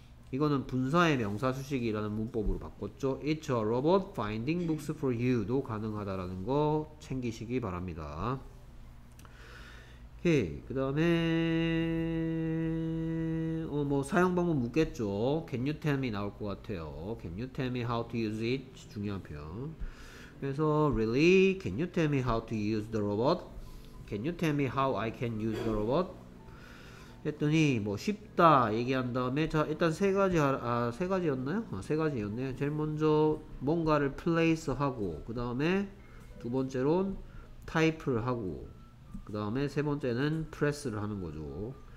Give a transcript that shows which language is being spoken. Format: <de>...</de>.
<ko>이거는 분사의 명사 수식이라는 문법으로 바꿨죠.</ko> <en>It's a robot finding books for you</en> <ko>도 가능하다라는 거 챙기시기 바랍니다. 오케이. 그 다음에 뭐 사용방법 묻겠죠.</ko> <en>Can you tell me</en> <ko>나올 것 같아요.</ko> <en>Can you tell me how to use it?</en> <ko>중요한 표현. 그래서</ko> <en>really can you tell me how to use the robot? Can you tell me how I can use the robot?</en> <ko>했더니 뭐 쉽다 얘기한 다음에 자 일단 세 가지였네요. 제일 먼저 뭔가를 place 하고 그 다음에 두 번째로는 type를 하고 그 다음에 세 번째는 press를 하는 거죠.</ko>